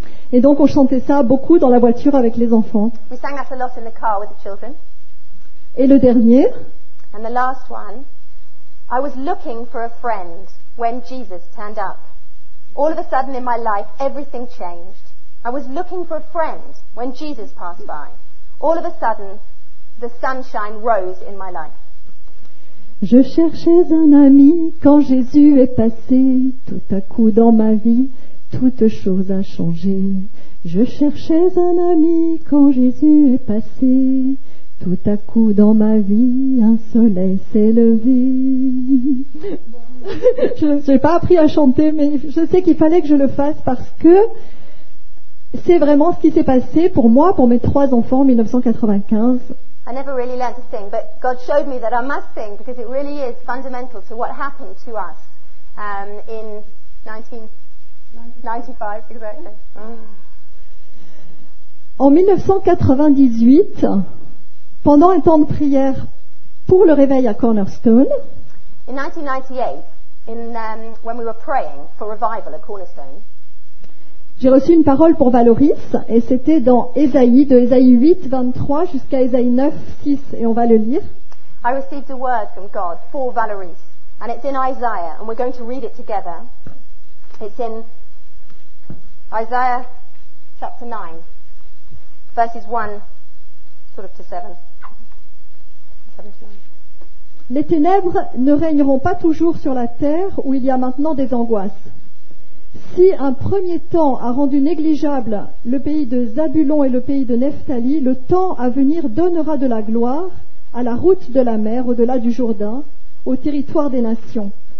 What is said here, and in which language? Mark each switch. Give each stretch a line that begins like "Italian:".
French: Et donc on chantait ça beaucoup dans la voiture avec les enfants.
English: We sang that a lot in the car with the children.
French: Et le dernier.
English: And the last one. I was looking for a friend when Jesus turned up. All of a sudden in my life, everything changed. I was looking for a friend when Jesus passed by. All of a sudden, the sunshine rose in my life.
French: Je cherchais un ami quand Jésus est passé. Tout à coup dans ma vie, toute chose a changé. Je cherchais un ami quand Jésus est passé. Tout à coup dans ma vie, un soleil s'est levé. Je n'ai pas appris à chanter, mais je sais qu'il fallait que je le fasse parce que c'est vraiment ce qui s'est passé pour moi, pour mes trois enfants en 1995.
English: I never really learned to sing, but God showed me that I must sing because it really is fundamental to what happened to us in 1995, exactly.
French: En 1998, pendant un temps de prière pour le réveil à Cornerstone,
English: in 1998, when we were praying for revival at Cornerstone,
French: j'ai reçu une parole pour Valoris et c'était dans Ésaïe, de Ésaïe 8, 23 jusqu'à Ésaïe 9, 6 et on va le lire.
English: I received a word from God for Valoris and it's in Isaiah and we're going to read it together. It's in Isaiah chapter 9, verses 1 sort of to 7.
French: Les ténèbres ne régneront pas toujours sur la terre où il y a maintenant des angoisses. Si un premier temps a rendu négligeable le pays de Zabulon et le pays de Nephtali, le temps à venir donnera de la gloire à la route de la mer au-delà du Jourdain, au territoire des nations.